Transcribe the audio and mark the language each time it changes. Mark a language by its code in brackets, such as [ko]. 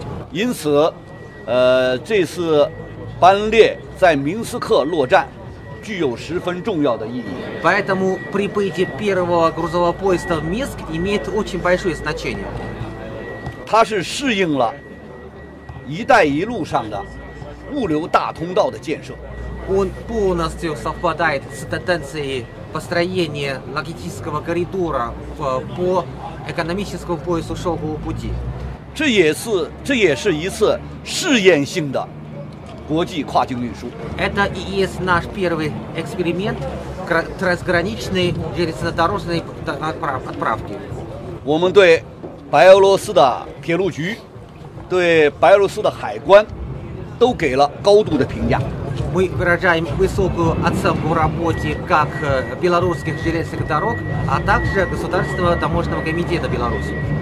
[zh] 因此这次班列在明斯克落站具有十分重要的意义。 [ru] Поэтому прибытие первого грузового поезда в Минск имеет очень большое значение. [zh] 它是适应了一带一路上的物流大通道的建设。 [ru] Он полностью совпадает с тенденцией построения логистического коридора по экономическому поясу шелкового пути. [zh] 这也是一次试验性的国际跨境运输。 [ru] Это и есть наш первый эксперимент трансграничной железнодорожной отправки. [zh] 我们对白俄罗斯的铁路局、对白俄罗斯的海关都给了高度的评价。 [ru] Мы выражаем высокую оценку работе как белорусских железных дорог, а также Государственного таможенного комитета Беларуси.